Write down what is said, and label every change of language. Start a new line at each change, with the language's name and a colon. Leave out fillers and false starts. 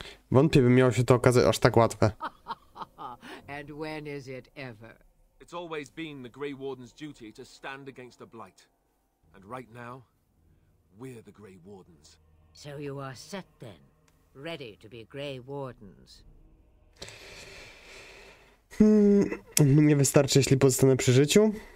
Polish: Wątpię, by miało się to okazać aż tak łatwe.
English: And when is it ever? It's always been the Grey Warden's duty to stand against a blight. And right now, we're the Grey Wardens. So you are set then, ready to be Grey Wardens.
Polish: Nie wystarczy, jeśli pozostanę przy życiu.